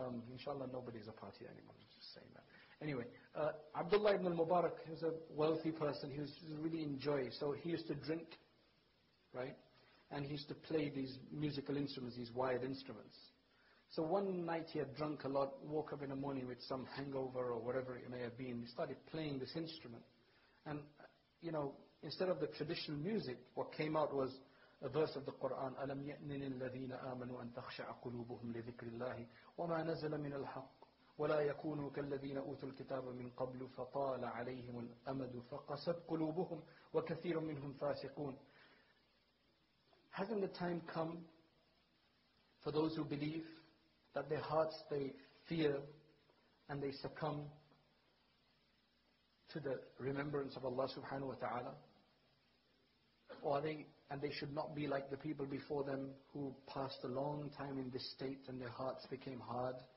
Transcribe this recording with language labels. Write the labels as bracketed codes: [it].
[en] Inshallah, nobody's a party animal, I'm just saying that. Anyway, Abdullah ibn al-Mubarak, he was a wealthy person, he was really enjoy. So he used to drink, right? And he used to play these musical instruments, these wired instruments. So one night he had drunk a lot, woke up in the morning with some hangover or whatever it may have been. He started playing this instrument. And, you know, instead of the traditional music, what came out was a verse of the Quran, [ar] أَلَمْ يَأْنِنِ الَّذِينَ آمَنُوا أَن تَخْشَعَ قُلُوبُهُمْ لِذِكْرِ اللَّهِ وَمَا نَزَلَ مِنَ الْحَقِّ وَلَا يَكُونُوا كَالَّذِينَ أُوتُوا الْكِتَابَ مِنْ قَبْلُ فَطَالَ عَلَيْهِمُ الْأَمَدُ فَقَسَتْ قُلُوبُهُمْ وَكَثِيرٌ مِنْهُمْ فَاسِقُونَ. [en] Hasn't the time come for those who believe that their hearts, they fear and they succumb to the remembrance of Allah subhanahu wa ta'ala? And they should not be like the people before them who passed a long time in this state and their hearts became hard.